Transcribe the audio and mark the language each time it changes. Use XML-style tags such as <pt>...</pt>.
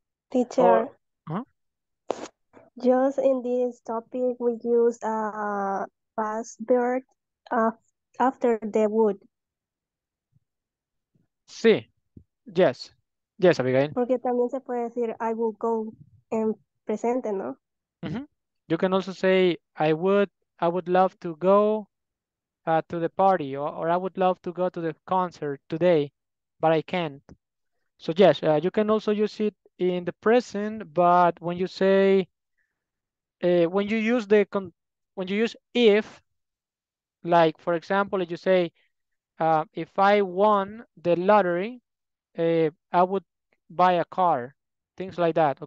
<en>Teacher, just in this topic, we use a past verb after the would. Sí. Yes. Yes, Abigail.</en> <es>Porque también se puede decir,</es> <en>I will go</en> <es>en presente, ¿no?</es> <en>You can also say, I would love to go to the party, or I would love to go to the concert today, but I can't. So yes, you can also use it in the present, but when you say, when you use if, like for example, if you say, if I won the lottery, I would buy a car, things like that.</en>